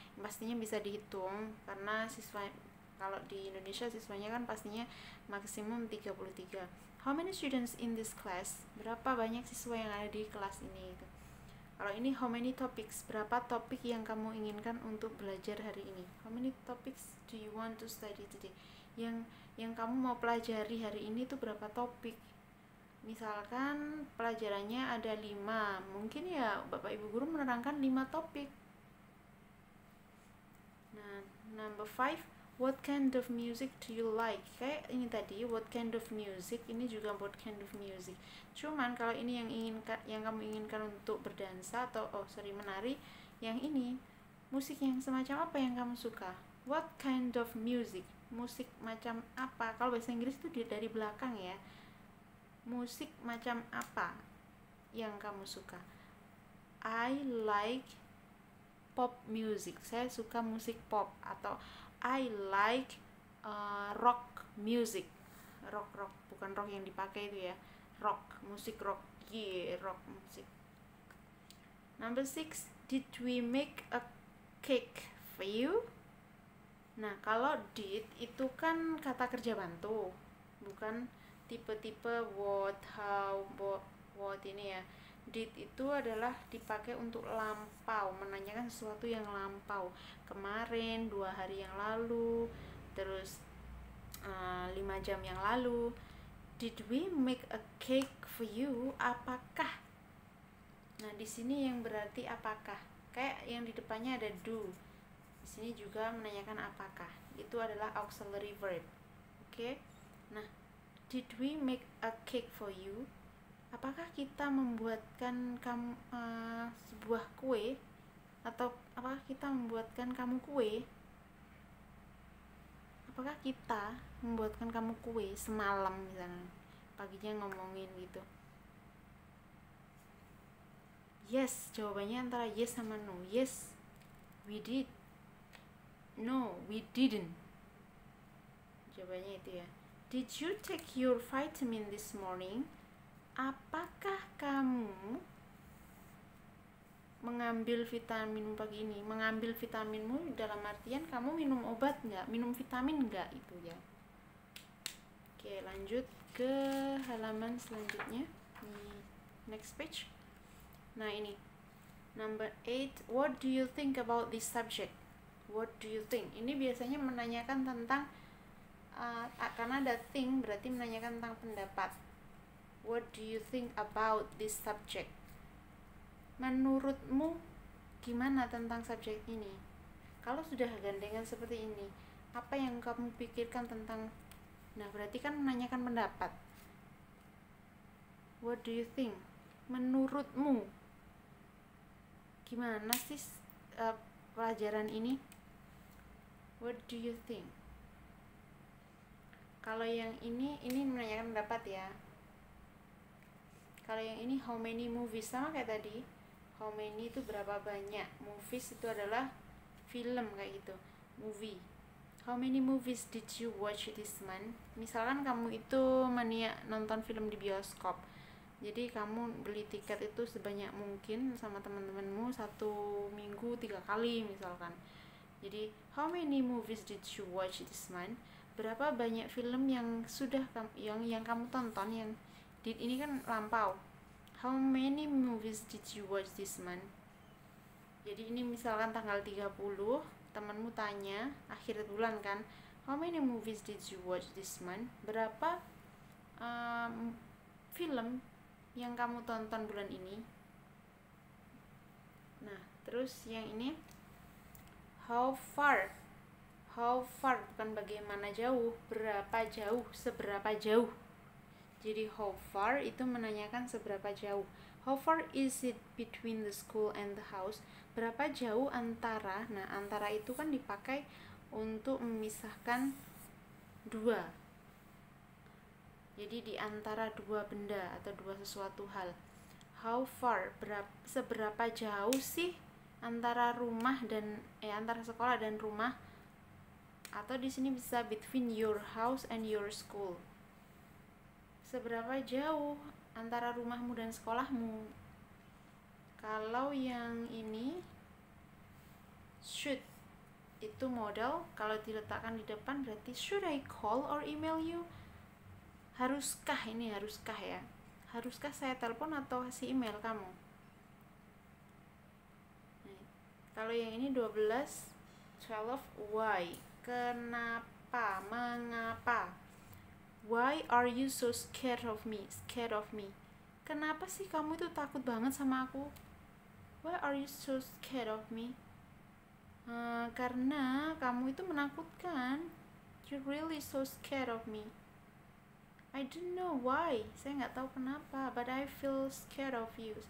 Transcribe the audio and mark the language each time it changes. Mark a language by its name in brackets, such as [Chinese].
[Indonesian] Pastinya bisa dihitung karena siswa kalau di Indonesia siswanya kan pastinya maksimum 33. [English] How many students in this class? [Indonesian] Berapa banyak siswa yang ada di kelas ini? Itu. Kalau ini [English] how many topics? [Indonesian] Berapa topik yang kamu inginkan untuk belajar hari ini? [English] How many topics do you want to study today? [Indonesian] Yang kamu mau pelajari hari ini itu berapa topik? Misalkan pelajarannya ada 5, mungkin ya Bapak Ibu guru menerangkan 5 topik. [English] Nah, number 5, what kind of music do you like? [Indonesian] Kayak ini tadi, [English] what kind of music? [Indonesian] Ini juga [English] what kind of music. [Indonesian] Cuman kalau ini yang inginkan yang kamu inginkan untuk berdansa atau [English] oh sorry [Indonesian] menari, yang ini musik yang semacam apa yang kamu suka? [English] What kind of music? [Indonesian] Musik macam apa? Kalau bahasa Inggris itu dari belakang ya. Musik macam apa yang kamu suka? [English] I like pop music. [Indonesian] Saya suka musik pop. [English] Atau I like rock music. [Indonesian] Rock, bukan rock yang dipakai itu ya. Rock, musik rock. Yeah, rock musik. [English] Number 6, did we make a cake for you? [Indonesian] Nah, kalau did itu kan kata kerja bantu. Bukan tipe-tipe what, how, what ini ya. Did itu adalah dipakai untuk lampau, menanyakan sesuatu yang lampau. Kemarin, 2 hari yang lalu, terus 5 jam yang lalu. [English] Did we make a cake for you? Apakah? [Indonesian] Nah, di sini yang berarti apakah. Kayak yang di depannya ada do. Di sini juga menanyakan apakah. Itu adalah auxiliary verb. Oke. [English] Nah, did we make a cake for you? [Indonesian] Apakah kita membuatkan kamu sebuah kue? Atau apakah kita membuatkan kamu kue? Apakah kita membuatkan kamu kue semalam misalnya? Paginya ngomongin gitu. [English] Yes, [Indonesian] jawabannya antara [English] yes sama no. Yes, we did. No, we didn't. [Indonesian] Jawabannya itu ya. [English] Did you take your vitamin this morning? [Indonesian] Apakah kamu mengambil vitamin pagi ini? Mengambil vitaminmu dalam artian kamu minum obat enggak? Minum vitamin enggak itu ya. Oke, lanjut ke halaman selanjutnya. Di next page. Nah, ini. [English] Number 8, what do you think about this subject? What do you think? [Indonesian] Ini biasanya menanyakan tentang karena ada think berarti menanyakan tentang pendapat. [English] What do you think about this subject? [Indonesian] Menurutmu gimana tentang subjek ini? Kalau sudah gandengan seperti ini, apa yang kamu pikirkan tentang? Nah, berarti kan menanyakan pendapat. [English] What do you think? [Indonesian] Menurutmu gimana sih pelajaran ini? [English] What do you think? [Indonesian] Kalau yang ini menanyakan pendapat ya. Kalau yang ini [English] how many movies, [Indonesian] sama kayak tadi. How many itu berapa banyak? Movies itu adalah film kayak gitu. [English] Movie. How many movies did you watch this month? [Indonesian] Misalkan kamu itu mania nonton film di bioskop. Jadi kamu beli tiket itu sebanyak mungkin sama teman-temanmu 1 minggu 3 kali misalkan. [English] Jadi, how many movies did you watch this month? [Indonesian] Berapa banyak film yang sudah yang kamu tonton yang did ini kan lampau. [English] How many movies did you watch this month? [Indonesian] Jadi ini misalkan tanggal 30, temanmu tanya akhir bulan kan, [English] how many movies did you watch this month? [Indonesian] Berapa film yang kamu tonton bulan ini? Nah, terus yang ini [English] How far, [Indonesian] bukan bagaimana jauh, berapa jauh, seberapa jauh. Jadi how far itu menanyakan seberapa jauh. [English] How far is it between the school and the house? [Indonesian] Berapa jauh antara, nah antara itu kan dipakai untuk memisahkan dua. Jadi di antara dua benda atau dua sesuatu hal. How far, seberapa jauh sih antara rumah dan antara sekolah dan rumah? Atau di sini bisa [English] between your house and your school. [Indonesian] Seberapa jauh antara rumahmu dan sekolahmu? Kalau yang ini should, itu modal. Kalau diletakkan di depan berarti [English] should I call or email you? [Indonesian] Haruskah ini, haruskah ya? Haruskah saya telepon atau kasih email kamu? Kalau yang ini 12, 12, why? Kenapa? Mengapa? [English] Why are you so scared of me? Scared of me. [Indonesian] Kenapa sih kamu itu takut banget sama aku? [English] Why are you so scared of me? [Indonesian] Karena kamu itu menakutkan. [English] You're really so scared of me. I don't know why. [Indonesian] Saya nggak tahu kenapa, [English] but I feel scared of you.